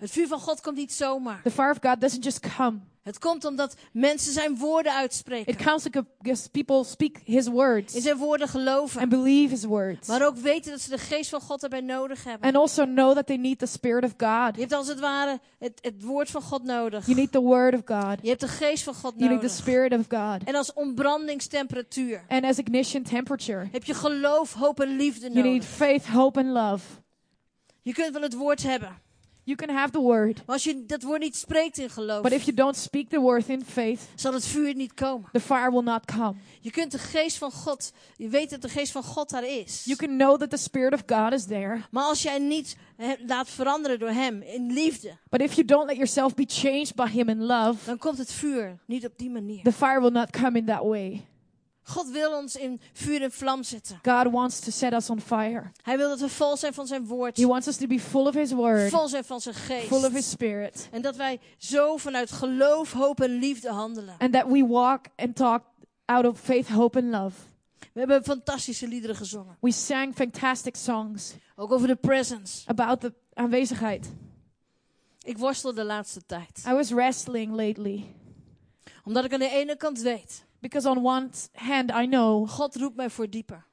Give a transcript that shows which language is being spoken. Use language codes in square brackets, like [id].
[nl] Het vuur van God komt niet zomaar. [en] The fire of God doesn't just come. [nl] Het komt omdat mensen zijn woorden uitspreken. [en] It comes because people speak his words. [nl] In zijn woorden geloven. [en] And believe his words. [nl] Maar ook weten dat ze de geest van God erbij nodig hebben. [en] And also know that they need the spirit of God. [nl] Je hebt als het ware het woord van God nodig. [en] You need the word of God. [nl] Je hebt de geest van God [en] you [nl] nodig. [en] You need the spirit of God. [nl] En als ontbrandingstemperatuur. [en] And as ignition temperature. [nl] Heb je geloof, hoop en liefde [en] you [nl] nodig. [en] You need faith, hope and love. [nl] Je kunt wel het woord hebben. [en] You can have the word. [nl] Maar als je dat woord niet spreekt in geloof. [en] But if you don't speak the word in faith. [nl] Zal het vuur niet komen. [en] The fire will not come. [nl] Je kunt de geest van God. Je weet dat de geest van God daar is. [en] You can know that the spirit of God is there. [nl] Maar als jij niet laat veranderen door hem in liefde. [en] But if you don't let yourself be changed by him in love. [nl] Dan komt het vuur niet op die manier. [en] The fire will not come in that way. [nl] God wil ons in vuur en vlam zetten. [en] God wants to set us on fire. [nl] Hij wil dat we vol zijn van zijn woord. [en] He wants us to be full of his word. [nl] Vol zijn van zijn geest. [en] Full of his spirit. [nl] En dat wij zo vanuit geloof, hoop en liefde handelen. [en] And that we walk and talk out of faith, hope and love. [nl] We hebben fantastische liederen gezongen. [en] We sang fantastic songs. [nl] Ook over de presence. [en] About the aanwezigheid. [nl] Ik worstel de laatste tijd. [en] I was wrestling lately. [nl] Omdat ik aan de ene kant weet. [en] Because on one hand I know [nl] God roept mij voor dieper.